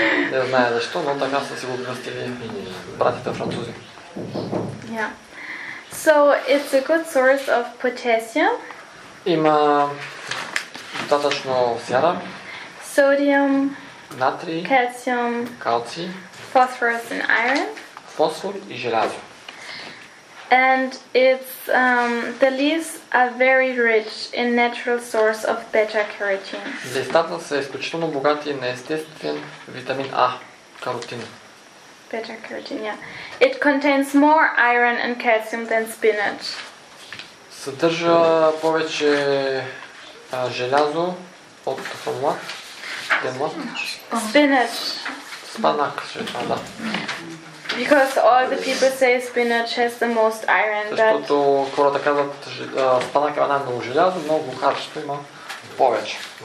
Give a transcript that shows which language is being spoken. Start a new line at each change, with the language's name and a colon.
Bulgarian: Не знае защо, но така са си го кръстили братите французи. Yeah.
English: So it's a good source of potassium.
Bulgarian: Има достатъчно сяра.
English: Sodium.
Bulgarian: Натрий.
English: Calcium.
Bulgarian: Калци.
English: Phosphorus and iron.
Bulgarian: Фосфор и желязо.
English: And it's the leaves are very rich in natural source of beta carotene.
Bulgarian: Листата са изключително богати на естествен витамин А, каротин.
English: Beta carotene. Yeah. It contains more iron and calcium than spinach.
Bulgarian: Съдържа повече желязо от хомлат. Хомлат.
English: Spinach.
Bulgarian: Спанак, ще да.
English: Because all the people say spinach has the most iron, but...
Bulgarian: Защото хората казват, спанак има най-много желязо, но глухарчето има повече.